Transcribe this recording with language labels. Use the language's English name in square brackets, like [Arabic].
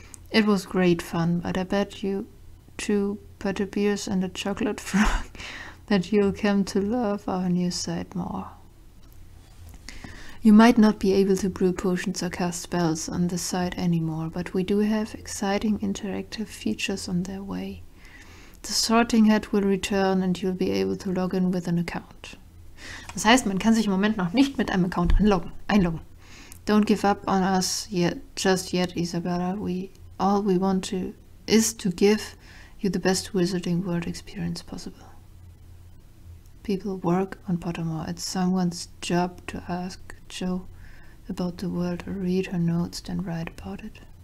[English] It was great fun, but I bet you two butterbeers and a chocolate frog that you'll come to love our new site more. You might not be able to brew potions or cast spells on the site anymore, but we do have exciting interactive features on their way. The sorting hat will return and you'll be able to log in with an account. [German] Das heißt, man kann sich im Moment noch nicht mit einem Account einloggen. [English] Don't give up on us yet, just yet, Isabella. All we want is to give you the best Wizarding World experience possible. People work on Pottermore. It's someone's job to ask Jo about the world, or read her notes, then write about it.